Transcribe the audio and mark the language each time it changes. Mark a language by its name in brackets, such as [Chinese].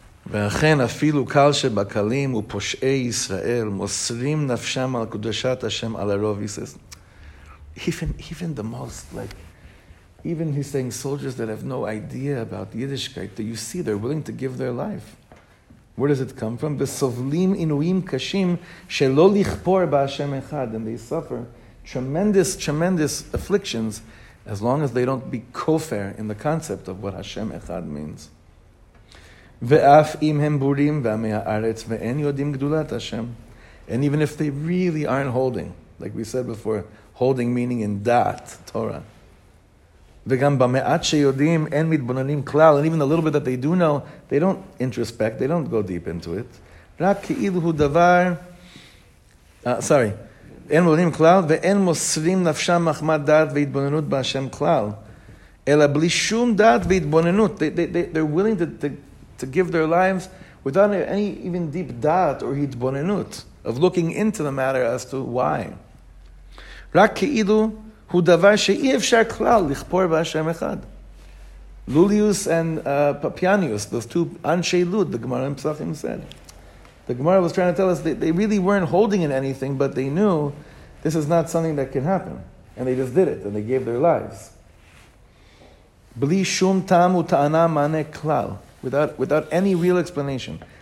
[Hebrew] ואכן אפילו קל שבקלים ופושעי ישראל מוסרים נפשם על קדושת השם על הרוב. [English] He says, even the most, like, even he's saying soldiers that have no idea about Yiddishkeit, that you see they're willing to give their life. Where does it come from? [Hebrew] וסובלים עינויים קשים שלא לכפור בהשם אחד. [English] And they suffer tremendous, tremendous afflictions as long as they don't be kofer in the concept of what Hashem Echad means. [Hebrew] ואף אם הם בורים ועמי הארץ ואין יודעים גדולת השם. [English] And even if they really aren't holding, like we said before, holding meaning in dat, Torah. [Hebrew] וגם במעט שיודעים אין מתבוננים כלל. [English] And even the little bit that they do know, they don't introspect, they don't go deep into it. [Hebrew] רק כאילו הוא דבר, אין מתבוננים כלל ואין מוסרים נפשם מחמת דעת והתבוננות בהשם כלל. אלא בלי שום דעת והתבוננות. [English] They're willing to give their lives without any even deep דעת or התבוננות of looking into the matter as to why. [Hebrew] רק כאילו הוא דבר שאי אפשר כלל לכפור בהשם אחד. [English] Lulius and Papianius, those two Anshei Lud, the Gemara in Pesachim said. The Gemara was trying to tell us they really weren't holding in anything, but they knew this is not something that can happen. And they just did it, and they gave their lives. [Hebrew] Bli shum tam uta'ana mane klal. [English] Without any real explanation.